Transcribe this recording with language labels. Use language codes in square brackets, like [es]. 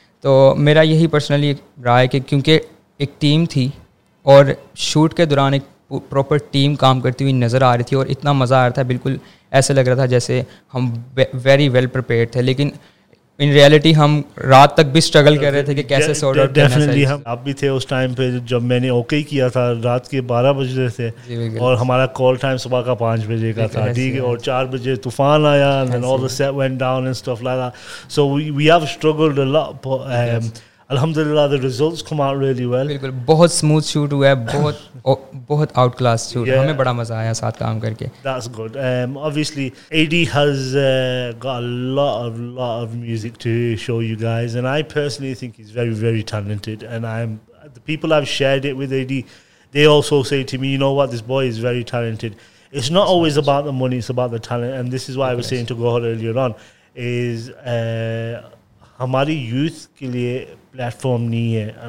[hi] तो मेरा यही पर्सनली राय है कि क्योंकि एक टीम थी, और शूट के दौरान एक प्रॉपर टीम काम करती हुई नज़र आ रही थी, और इतना मज़ा आ रहा था, बिल्कुल ऐसे लग रहा था जैसे हम [en] very well prepared [hi] थे, लेकिन [en] in reality [hi] हम रात तक भी स्ट्रगल कर रहे थे कि कैसे सॉर्ट आउट करना है. डेफिनेटली हम आप भी थे उस टाइम पे जब मैंने ओके किया था, रात के 12 बज रहे थे और हमारा कॉल टाइम सुबह का 5 बजे का था, ठीक है, और 4 बजे तूफान आया [en] And all the set went down and stuff like that. So we have struggled a lot. Alhamdulillah, the results come out really well. [hi] बिल्कुल बहुत smooth shoot हुआ है, बहुत बहुत outclass shoot. हमें बड़ा मजा आया साथ काम करके. [en] That's good. Obviously, AD has got a lot of music to show you guys, and I personally think he's very, very talented. And the people I've shared it with AD, they also say to me, you know what, this boy is very talented. It's not always about the money, it's about the talent. And this is why I was saying to Gohar earlier on, [hi] is hamari youth ke liye platform nahi hai.